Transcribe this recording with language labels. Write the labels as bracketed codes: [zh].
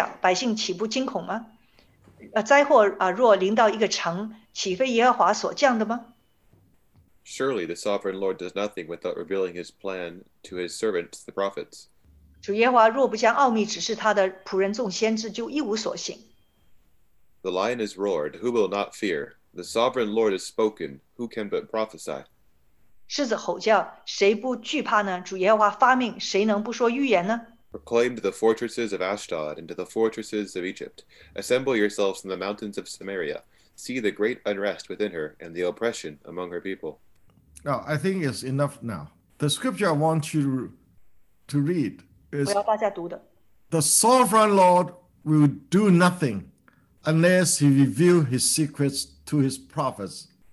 [zh] 城中若吹角，百姓岂不惊恐吗？灾祸若临到一个城，岂非耶和华所降的吗？ [en] Surely the sovereign Lord does nothing without revealing his plan to his servants, the prophets. [zh] 主耶和华若不将奥秘指示他的仆人众先知，就一无所行。 [en] The lion has roared, who will not fear? The sovereign Lord has spoken, who can but prophesy? [zh] 狮子吼叫，谁不惧怕呢？主耶和华发命，谁能不说预言呢？ [en] Proclaim to the fortresses of Ashdod and to the fortresses of Egypt. Assemble yourselves in the mountains of Samaria. See the great unrest within her and the oppression among her people. Now, I think it's enough now. The scripture I want you to read is, the sovereign Lord will do nothing unless he reveals his secrets to his prophets.